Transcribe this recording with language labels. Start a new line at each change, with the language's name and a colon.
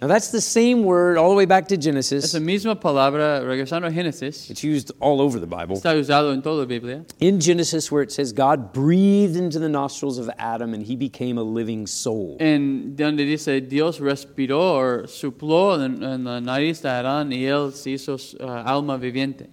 English: Now that's the same word all the way back to Genesis.
Spanish: Es la misma palabra regresando a Genesis.
English: It's used all over the Bible.
Spanish: Está usado en toda la Biblia.
English: In Genesis, where it says God breathed into the nostrils of Adam and he became a living soul.
Spanish: En donde dice Dios respiró o sopló en la nariz de Adán y él se hizo alma viviente.